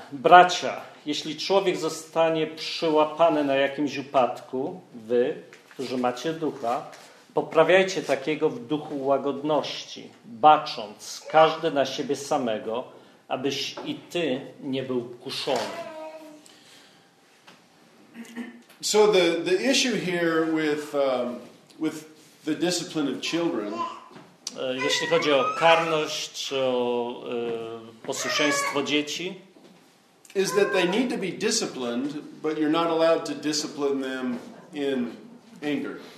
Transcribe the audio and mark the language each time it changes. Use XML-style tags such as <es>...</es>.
<pl>Bracia, jeśli człowiek zostanie przyłapany na jakimś upadku, wy, którzy macie ducha, poprawiajcie takiego w duchu łagodności, bacząc każdy na siebie samego, abyś i ty nie był kuszony.</pl> <en>So the issue here with the discipline of children,</en> <pl>jeśli chodzi o karność, o posłuszeństwo dzieci,</pl> <en>is that they need to be disciplined, but you're not allowed to discipline them in anger.</en>